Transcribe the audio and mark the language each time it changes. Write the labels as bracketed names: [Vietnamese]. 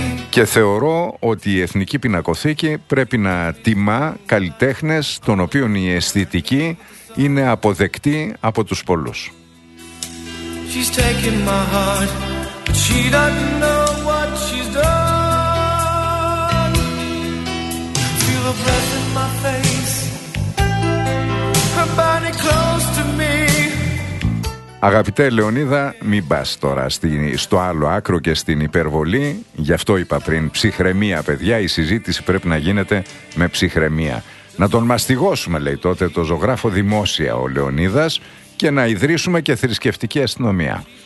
[Greek] Και θεωρώ ότι η Εθνική Πινακοθήκη πρέπει να τιμά καλλιτέχνες των οποίων η αισθητική είναι αποδεκτή από τους πολλούς. [English] She's taken my heart, but she doesn't know what she's done. Feel her breath in my face, her body close to me. [Greek] Αγαπητέ Λεωνίδα, μην πας τώρα στο άλλο άκρο και στην υπερβολή. Γι' αυτό είπα πριν, ψυχραιμία παιδιά, η συζήτηση πρέπει να γίνεται με ψυχραιμία. Να τον μαστιγώσουμε, λέει τότε το ζωγράφο δημόσια ο Λεωνίδας, και να ιδρύσουμε και θρησκευτική αστυνομία.